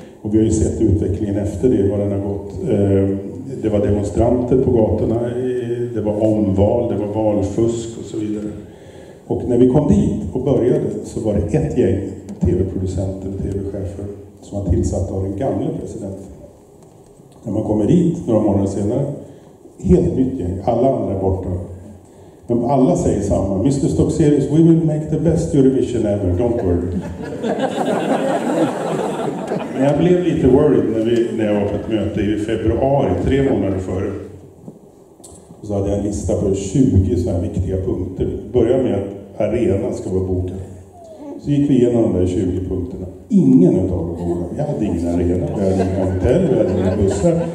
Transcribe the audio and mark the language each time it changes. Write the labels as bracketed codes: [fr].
[sv] Och vi har ju sett utvecklingen efter det, vad den har gått. Det var demonstranter på gatorna, det var omval, det var valfusk och så vidare. Och när vi kom dit och började så var det ett gäng tv-producenter och tv-chefer som var tillsatta av den gamla presidenten. När man kommer dit några månader senare, helt nytt gäng, alla andra är borta. Men alla säger samma, Mr. [en] Stokserius, we will make the best Eurovision ever, don't worry. [sv] Men jag blev lite worried när jag var på ett möte i februari, tre månader före. Så hade jag en lista på 20 så här viktiga punkter. Börja med att arenan ska vara bokad. Så gick vi igenom de 20 punkterna. Ingen utav dem var. Vi hade ingen arena, vi hade inga hotell, vi hade inga bussar.